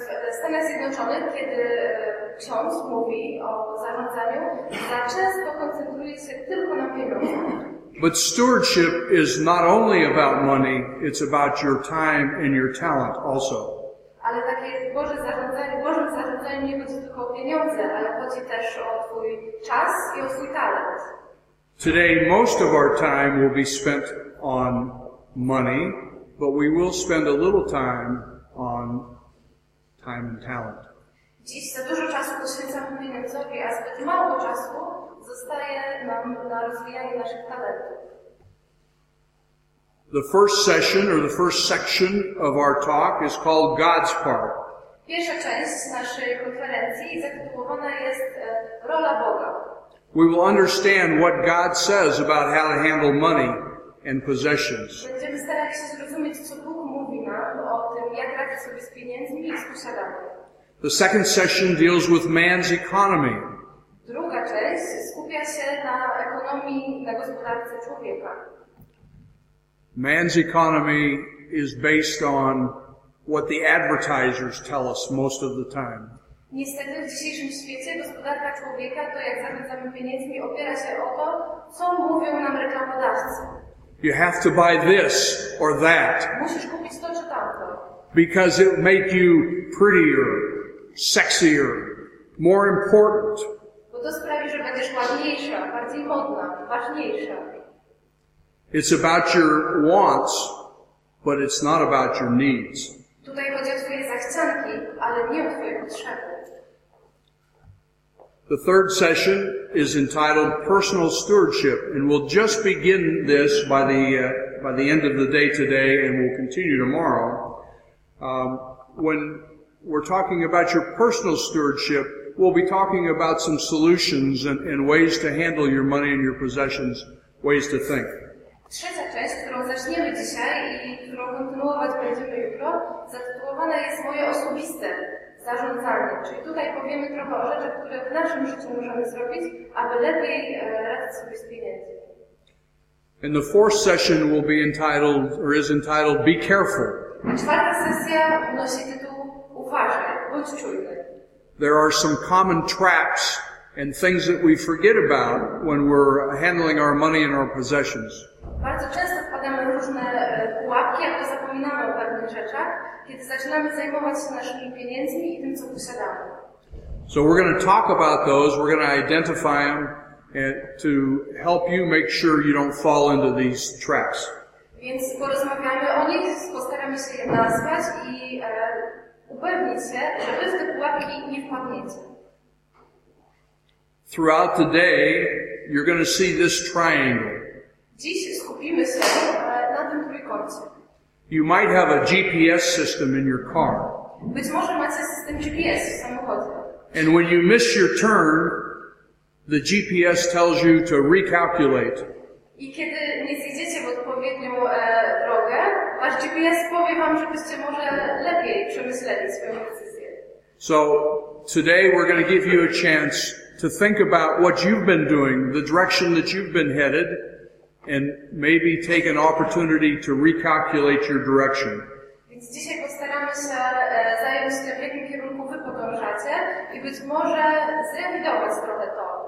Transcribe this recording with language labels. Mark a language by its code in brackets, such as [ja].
[pl] W Stanach Zjednoczonych, kiedy ksiądz mówi o zarządzaniu, za często koncentruje się tylko na pieniądzach. [en] But stewardship is not only about money, it's about your time and your talent also. [pl] Ale takie Boże zarządzanie, Bożym zarządzaniu nie chodzi tylko o pieniądze, ale chodzi też o twój czas i o twój talent. [en] Today most of our time will be spent on money, but we will spend a little time on time and talent. [pl] Dziś za dużo czasu poświęcamy pieniądzowi, a zbyt mało czasu zostaje nam na rozwijanie naszych talentów. [en] The first session or the first section of our talk is called God's part. [pl] Pierwsza część naszej konferencji zatytułowana jest Rola Boga. [en] We will understand what God says about how to handle money and possessions. [pl] Będziemy starać się zrozumieć, co Bóg mówi nam o tym, jak radzić sobie z pieniędzmi i z posiadaniem. [en] The second session deals with man's economy. [pl] Druga część skupia się na ekonomii, na gospodarce człowieka. [en] Man's economy is based on what the advertisers tell us most of the time. [pl] Niestety w dzisiejszym świecie gospodarka człowieka, to jak zarządzamy pieniędzmi, opiera się o to, co mówią nam reklamodawcy. [en] You have to buy this or that. [pl] Musisz kupić to czy tamto. [en] Because it will make you prettier, sexier, more important. [pl] Bo to sprawi, że będziesz ładniejsza, bardziej modna, ważniejsza. [en] It's about your wants, but it's not about your needs. [pl] Tu Tutaj chodzi o twoje zachcianki, ale nie o twoje potrzeby. [en] The third session is entitled Personal Stewardship, and we'll just begin this by the end of the day today, and we'll continue tomorrow. When we're talking about your personal stewardship, we'll be talking about some solutions and ways to handle your money and your possessions, ways to think. [pl] Trzecia część, którą zaczniemy dzisiaj i którą kontynuować będziemy jutro, zatytułowana jest Moje osobiste zarządzanie. Czyli tutaj powiemy trochę o rzeczach, które w naszym życiu możemy zrobić, aby lepiej radzić sobie z pieniędzmi. [en] And the fourth session will be entitled, or is entitled, Be Careful. [pl] A czwarta sesja nosi tytuł Uważaj, bądź czujny. [en] There are some common traps and things that we forget about when we're handling our money and our possessions. [pl] Bardzo często wpadamy w różne pułapki, albo zapominamy o pewnych rzeczach, kiedy zaczynamy zajmować się naszymi pieniędzmi i tym, co posiadamy. [en] So we're going to talk about those, we're going to identify them, and to help you make sure you don't fall into these traps. [pl] Więc porozmawiamy o nich, postaramy się je nazwać i upewnić się, że wy w te pułapki nie wpadniecie. [en] Throughout the day, you're going to see this triangle. [pl] Dziś skupimy się na tym trójkącie. [en] You might have a GPS system in your car. [pl] Być może macie system GPS w samochodzie. [en] And when you miss your turn, the GPS tells you to recalculate. [pl] I kiedy nie zjedziecie w odpowiednią drogę, wasz GPS powie wam, żebyście może lepiej przemyśleli swoją decyzję. [en] So, today we're going to give you a chance to think about what you've been doing, the direction that you've been headed, and maybe take an opportunity to recalculate your direction. [pl] Więc dzisiaj postaramy się zająć się, w jakim kierunku wy podążacie i być może zrewidować trochę to.